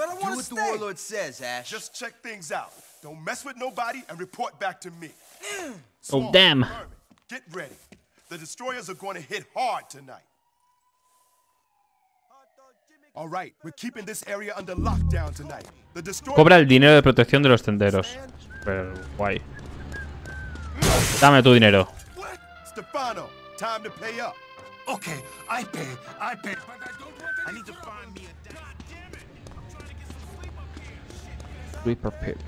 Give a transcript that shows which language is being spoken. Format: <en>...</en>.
<en>But I wanna stay. Do what the warlord says, Ash. Just check things out. Don't mess with nobody and report back to me. Small, oh, damn. Herman, get ready. The destroyers are going to hit hard tonight. All right, we're keeping this area under lockdown tonight. The destroyers.</en> <es>Cobra el dinero de protección de los tenderos. Pero guay. Dame tu dinero.</es> <en>Stefano, time to pay up. Okay, I pay. But I don't want any. I need to find me a dad.</en>